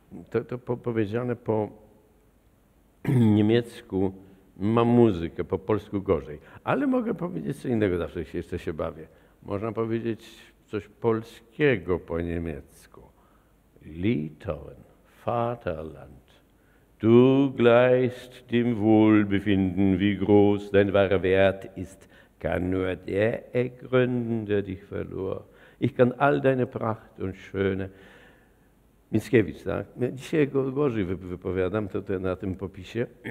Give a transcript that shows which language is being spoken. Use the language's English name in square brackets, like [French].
[Polish] To powiedziane po niemiecku. Mam muzykę, po polsku gorzej, ale mogę powiedzieć co innego, zawsze się jeszcze się bawię. Można powiedzieć coś polskiego po niemiecku. [German] Litauen, Vaterland, du gleichst dem Wohlbefinden, wie groß dein wahrer Wert ist, kann nur der ergründen, der dich verlor. Ich kann all deine Pracht und Schöne. [Polish] Mickiewicz, tak? Dzisiaj go gorzej wypowiadam, to na tym popisie.